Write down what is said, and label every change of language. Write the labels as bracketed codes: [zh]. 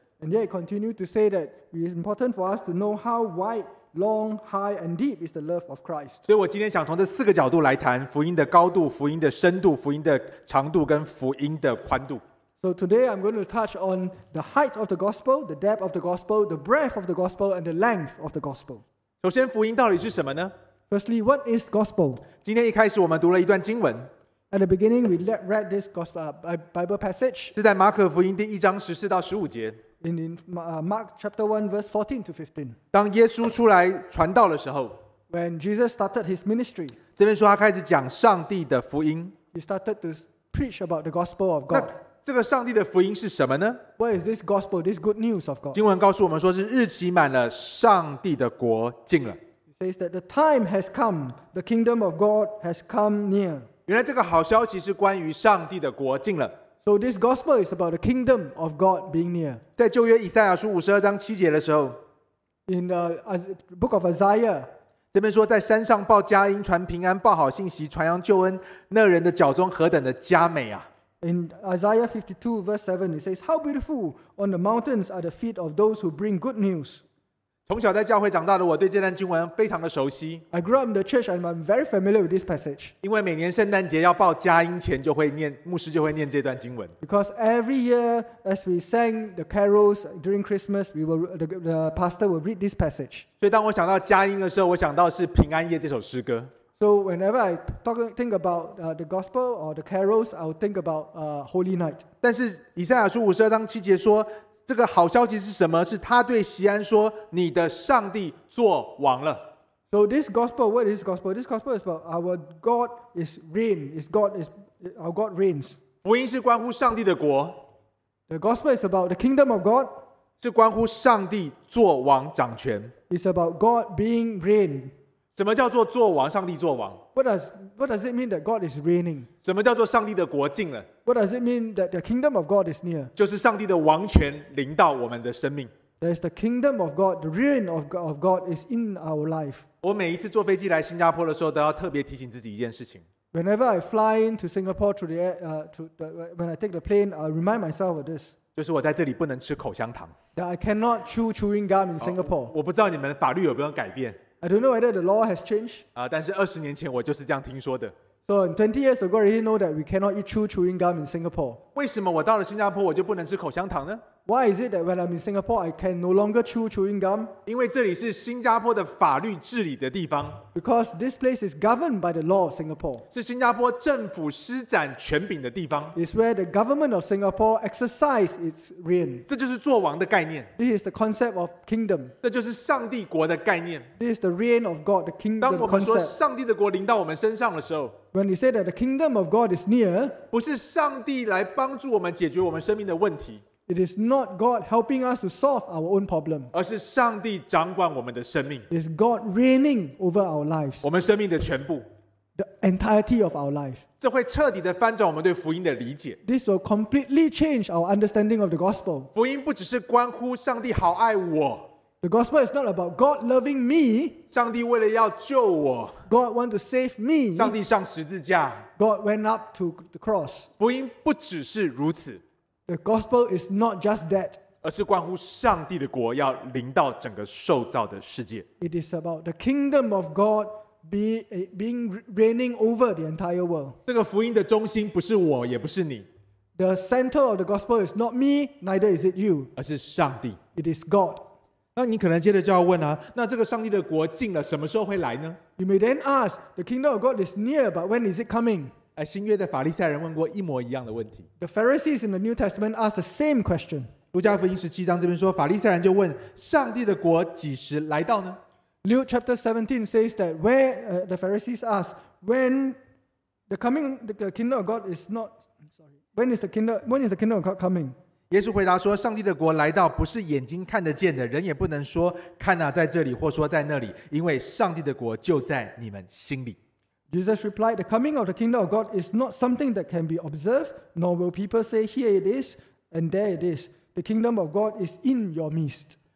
[en] And yet, continue to say that it is important for us to know how wide, long, high, and deep is the love of Christ. [zh] 所以我今天想从这四个角度来谈福音的高度、福音的深度、福音的长度跟福音的宽度。 [en] So today I'm going to touch on the height of the gospel, the depth of the gospel, the breadth of the gospel, and the length of the gospel. [zh] 首先，福音到底是什么呢？ [en] Firstly, what is gospel? [zh] 今天一开始我们读了一段经文。 [en] At the beginning, we read this gospel Bible passage. [zh] 是在马可福音第一章十四到十五节。 [en] In Mark chapter 1 verse 14 to 15. [zh] 当耶稣出来传道的时候。 [en] When Jesus started his ministry. [zh] 这边说他开始讲上帝的福音。 [en] He started to preach about the gospel of God. [zh] 那这个上帝的福音是什么呢？ [en] What is this gospel? This good news of God. [zh] 经文告诉我们说是日期满了，上帝的国近了。 [en] Says that the time has come, the kingdom of God has come near. [zh] 原来这个好消息是关于上帝的国近了。 [en] So this gospel is about the kingdom of God being near. [zh] 在旧约以赛亚书五十二章七节的时候 [en] ，In the book of Isaiah, [zh] 这边说在山上报佳音，传平安，报好信息，传扬救恩。那人的脚中何等的佳美啊 [en] ！In Isaiah 52 verse 7, it says, "How beautiful on the mountains are the feet of those who bring good news." [zh] 从小在教会长大的我对这段经文非常的熟悉。 [en] I grew up in the church and I'm very familiar with this passage. [zh] 因为每年圣诞节要报佳音前就会念，牧师就会念这段经文。 [en] Because every year as we sang the carols during Christmas, the pastor will read this passage. [zh] 所以当我想到佳音的时候，我想到是平安夜这首诗歌。 [en] So whenever I think about the gospel or the carols, I'll think about Holy Night. [zh] 但是以赛亚书五十二章七节说这个好消息是什么？是他对锡安说：“你的上帝作王了。” [en] So this gospel, what is gospel? This gospel is about our God is reign. Is God is our God reigns. [zh] 福音是关乎上帝的国。 [en] The gospel is about the kingdom of God. [zh] 是关乎上帝作王掌权。 [en] It's about God being reign. [zh] 什么叫做作王？上帝作王。 [en] What does it mean that God is reigning? [zh] 什么叫做上帝的国近了？ [en] What does it mean that the kingdom of God is near? [zh] 就是上帝的王权临到我们的生命。 [en] That is the kingdom of God, the reign of God is in our life. [zh] 我每一次坐飞机来新加坡的时候，都要特别提醒自己一件事情。 [en] Whenever I fly into Singapore when I take the plane, I remind myself of this. [zh] 就是我在这里不能吃口香糖。 [en] That I cannot chew chewing gum in Singapore. [zh] 我不知道你们法律有没有改变。 [en] I don't know whether the law has changed. [zh] 但是二十年前我就是这样听说的。 [en] So 20 years ago, I already know that we cannot eat chewing gum in Singapore. [zh] 为什么我到了新加坡我就不能吃口香糖呢？ [en] Why is it that when I'm in Singapore, I can no longer chew chewing gum? [zh] 因为这里是新加坡的法律治理的地方。 [en] Because this place is governed by the law of Singapore. [zh] 是新加坡政府施展权柄的地方。 [en] It's where the government of Singapore exercises its reign. [zh] 这就是作王的概念。 [en] This is the concept of kingdom. [zh] 这就是上帝国的概念。 [en] This is the reign of God, the kingdom concept. [zh] 当我们说上帝的国临到我们身上的时候， [en] When we say that the kingdom of God is near, [zh] 不是上帝来帮助我们解决我们生命的问题。 [en] It is not God helping us to solve our own problem. [zh] 而是上帝掌管我们的生命。 [en] It is God reigning over our lives. [zh] 我们生命的全部。 [en] The entirety of our life. [zh] 这会彻底的翻转我们对福音的理解。 [en] This will completely change our understanding of the gospel. [zh] 福音不只是关乎上帝好爱我。 [en] The gospel is not about God loving me. [zh] 上帝为了要救我。 [en] God want to save me. [zh] 上帝上十字架。 [en] God went up to the cross. [zh] 福音不只是如此。 [en] The gospel is not just that. [zh] 而是关乎上帝的国要临到整个受造的世界。 [en] It is about the kingdom of God being reigning over the entire world. [zh] 这个福音的中心不是我，也不是你。 [en] The center of the gospel is not me, neither is it you. [zh] 而是上帝。 [en] It is God. [zh] 那你可能接着就要问啊，那这个上帝的国近了，什么时候会来呢？ [en] You may then ask, the kingdom of God is near, but when is it coming? [zh] 新约的法利赛人问过一模一样的问题。 [en] The Pharisees in the New Testament asked the same question. [zh] 路加福音十七章这边说，法利赛人就问，上帝的国几时来到呢？ [en] Luke chapter 17 says that the Pharisees ask, when the kingdom of God is not, sorry, When is the kingdom of God coming? [zh] 耶稣回答说，上帝的国来到不是眼睛看得见的，人也不能说看啊在这里或说在那里，因为上帝的国就在你们心里。 [en] Jesus replied, the coming of the kingdom of God is not something that can be observed, nor will people say, here it is, and there it is. The kingdom of God is in your midst.